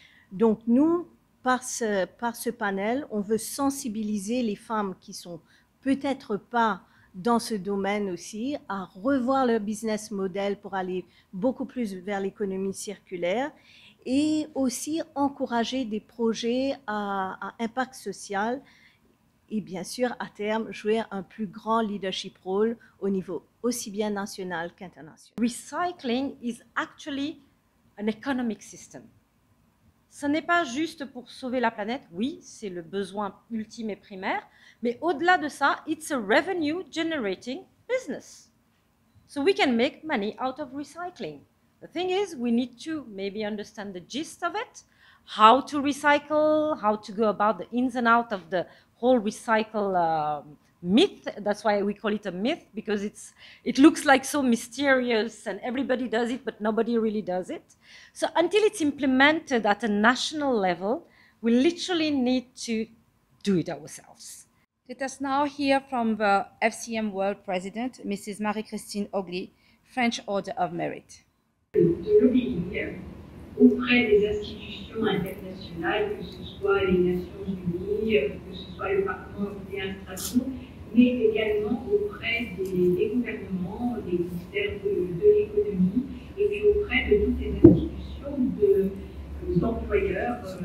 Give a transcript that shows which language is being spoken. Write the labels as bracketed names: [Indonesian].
[French] Donc nous, par ce panel, on veut sensibiliser les femmes qui sont peut-être pas dans ce domaine aussi à revoir leur business model pour aller beaucoup plus vers l'économie circulaire et aussi encourager des projets à impact social et bien sûr, à terme, jouer un plus grand [English] leadership role [French] au niveau aussi bien national qu'international. [English] Recycling is actually an economic system. [French] ce n'est pas juste pour sauver la planète. Oui, c'est le besoin ultime et primaire. Mais au-delà de ça, [English] it's a revenue generating business. So we can make money out of recycling. The thing is, we need to maybe understand the gist of it, how to recycle, how to go about the ins and out of the whole recycle myth. That's why we call it a myth, because it looks like so mysterious and everybody does it, but nobody really does it. So until it's implemented at a national level, we literally need to do it ourselves. Let us now hear from the FCEM World President, Mrs. Marie-Christine Ogli, French Order of Merit. [French] De lobbying auprès des institutions internationales, que ce soit les Nations Unies, que ce soit le Parlement européen à Strasbourg, mais également auprès des gouvernements, des ministères de l'économie, et puis auprès de toutes les institutions d'employeurs